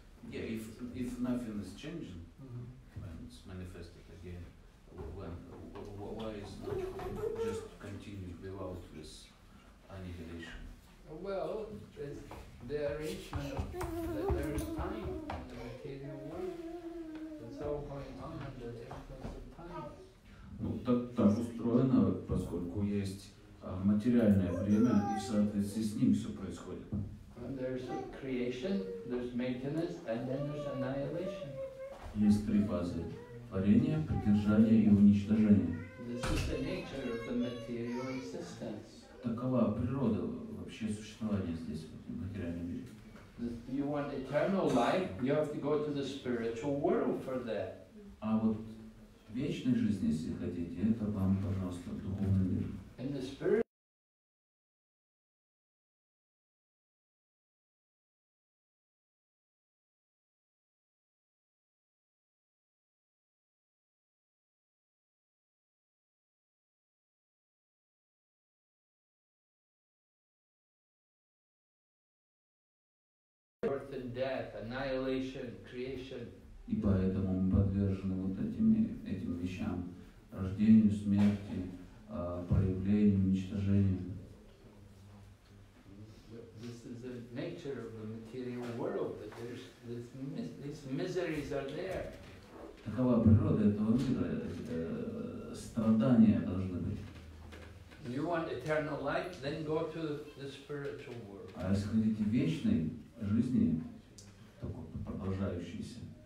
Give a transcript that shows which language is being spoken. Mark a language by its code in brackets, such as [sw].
[en] Yeah, if nothing is changing, when it's manifested again, when why is not just continue without this annihilation? Well, it's the arrangement that there is time in the material world. It's all going on under the influence of time. [ru] Ну так там устроено, поскольку есть материальное время, и в соответствии с ним все происходит. [en] There's a creation, there's maintenance, and then there's annihilation. [ru] Есть три базы: творение, поддержание и уничтожение. [en] This is the nature of the material existence. [ru] Такова природа вообще существования здесь, в этом материальном мире. [en] You want eternal life, you have to go to the spiritual world for that. [ru] А вот вечной жизни, если хотите, это вам, пожалуйста, в духовный мир. [en] Birth and death, annihilation, creation. [ru] И поэтому мы подвержены вот этим вещам: рождению, смерти, проявлению, уничтожению. [en] This is the nature of the material world. That there's these miseries are there. [ru] Такова природа этого мира. Страдания должны быть. [en] You want eternal life? Then go to the spiritual world. [ru] А если хотите вечной жизни, только продолжающейся.